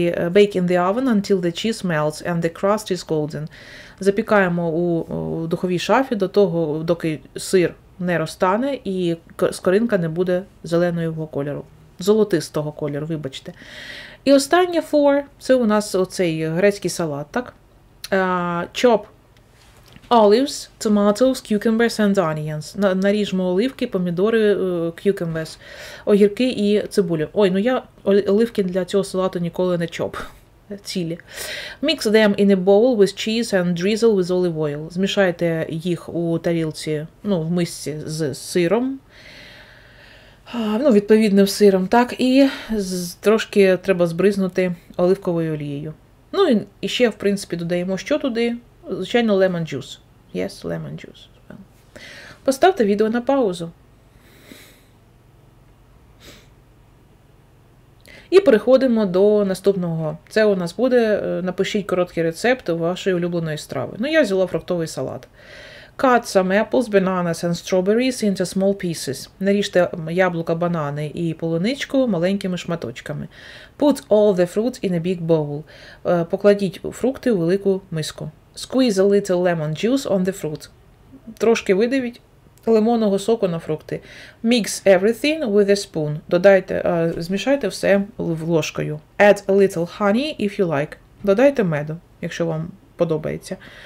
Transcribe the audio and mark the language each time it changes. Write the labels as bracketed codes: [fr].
[en] Bake in the oven until the cheese melts and the crust is golden. [uk] Запікаємо у духовій шафі до того, доки сир не розтане і скоринка не буде зеленою його кольору. Золотистого кольору, вибачте. І останнє four, це у нас оцей грецький салат, так? [en] Chop olives, tomatoes, cucumbers and onions. [uk] Наріжмо оливки, помідори, cucumbers, огірки і цибулю. Ой, ну я оливки для цього салату ніколи не чоп. Цілі. [en] Mix them in a bowl with cheese and drizzle with olive oil. [uk] Змішайте їх у тарілці, ну, в мисці з сиром. Ну, відповідним сиром, так, і трошки треба збризнути оливковою олією. Ну, і ще, в принципі, додаємо що туди? Звичайно, [en] lemon juice. Yes, lemon juice. [uk] Поставте відео на паузу. І переходимо до наступного. Це у нас буде, напишіть короткий рецепт вашої улюбленої страви. Ну, я взяла фруктовий салат. [en] Cut some apples, bananas and strawberries into small pieces. [uk] Наріжте яблука, банани і полуничку маленькими шматочками. [en] Put all the fruits in a big bowl. [uk] Покладіть фрукти у велику миску. [en] Squeeze a little lemon juice on the fruits. [uk] Трошки видавіть лимонного соку на фрукти. [en] Mix everything with a spoon. [uk] Додайте, змішайте все ложкою. [en] Add a little honey if you like. [uk] Додайте меду, якщо вам подобається.